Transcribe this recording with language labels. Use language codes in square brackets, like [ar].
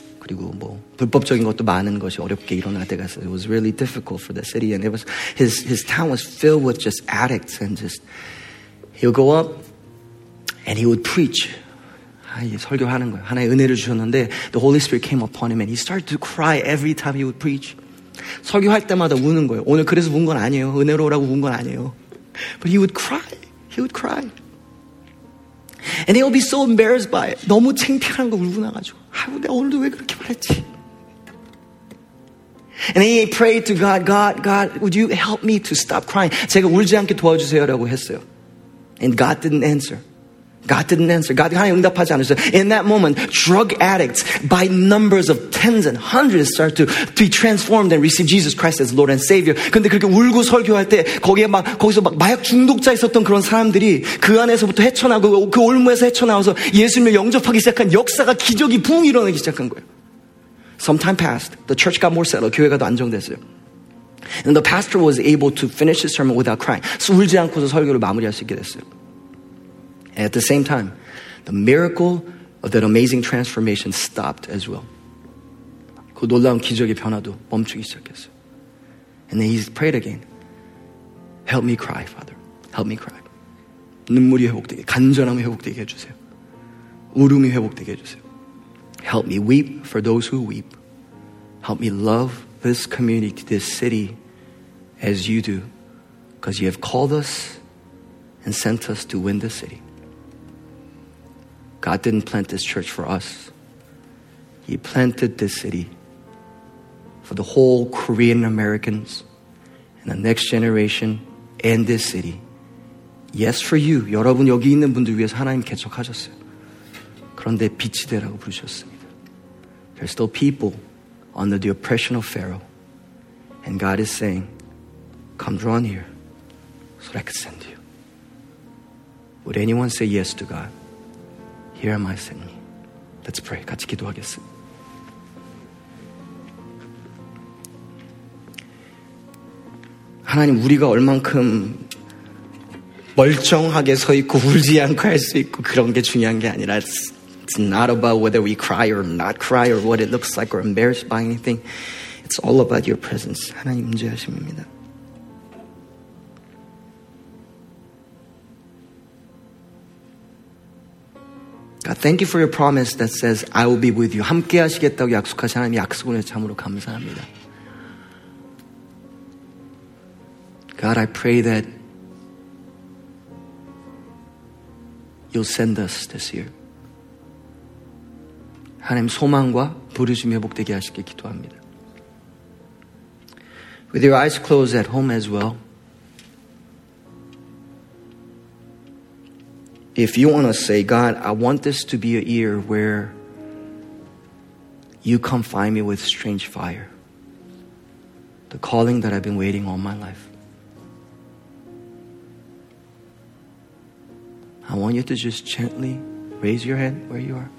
[ko] 그리고 뭐 불법적인 것도 많은 것이 어렵게 일어날 때가 있어요. [en] It was really difficult for the city, and it was his town was filled with just addicts, and just he would go up and he would preach. [ko] 설교하는 거예요. 하나의 은혜를 주셨는데 [en] the Holy Spirit came upon him and he started to cry every time he would preach. [ko] 설교할 때마다 우는 거예요. 오늘 그래서 운 건 아니에요. 은혜로 오라고 운 건 아니에요. [en] But he would cry. He would cry. And he would be so embarrassed by it. [ko] 너무 창피한 거 울고 나가지고. 아이고 내가 오늘도 왜 그렇게 말했지? [en] And he prayed to God, God, God, would you help me to stop crying? [ko] 제가 울지 않게 도와주세요 라고 했어요. [en] And God didn't answer. God didn't answer. [ko] God 하나님 응답하지 않으셨어요. [en] In that moment, drug addicts by numbers of tens and hundreds start to be transformed and receive Jesus Christ as Lord and Savior. [ko] 근데 그렇게 울고 설교할 때 거기에 막 거기서 막 마약 중독자 있었던 그런 사람들이 그 안에서부터 헤쳐나고 그 올무에서 헤쳐나와서 예수님을 영접하기 시작한 역사가 기적이 붕 일어나기 시작한 거예요. [en] Some time passed. The church got more settled. [ko] 교회가 더 안정됐어요. [en] And the pastor was able to finish his sermon without crying. [ko] So 울지 않고서 설교를 마무리할 수 있게 됐어요. [en] And at the same time, the miracle of that amazing transformation stopped as well. [ko] 그 놀라운 기적의 변화도 멈추기 시작했어요. [en] And then he prayed again. Help me cry, Father. Help me cry. [ko] 눈물이 회복되게, 간절함이 회복되게 해주세요. 울음이 회복되게 해주세요. [en] Help me weep for those who weep. Help me love this community, this city, as you do. Because you have called us and sent us to win the city. God didn't plant this church for us. He planted this city for the whole Korean Americans and the next generation and this city. Yes, for you. [ko] 여러분 여기 있는 분들 위해서 하나님 개척하셨어요. 그런데 빛이 되라고 부르셨습니다. [en] There are still people under the oppression of Pharaoh. And God is saying, come draw near so that I could send you. Would anyone say yes to God? Here am I, send me. Let's pray. [ko] 같이 기도하겠습니다. 하나님, 우리가 얼만큼 멀쩡하게 서 있고 울지 않고 할 수 있고 그런 게 중요한 게 아니라 [en] it's not about whether we cry or not cry or what it looks like or embarrassed by anything. It's all about your presence. [ko] 하나님 임재하심입니다. [en] 아, thank you for your promise that says I will be with you. [ko] 함께 하시겠다고 약속하신 하나님 약속을 위해 참으로 감사합니다. [en] God, I pray that you'll send us this year. [ko] 하나님 소망과 부르심 회복되게 하시길 기도합니다. [en] With your eyes closed at home as well, if you want to say, God, I want this to be a year where you come find me with strange fire, the calling that I've been waiting all my life, I want you to just gently raise your hand where you are.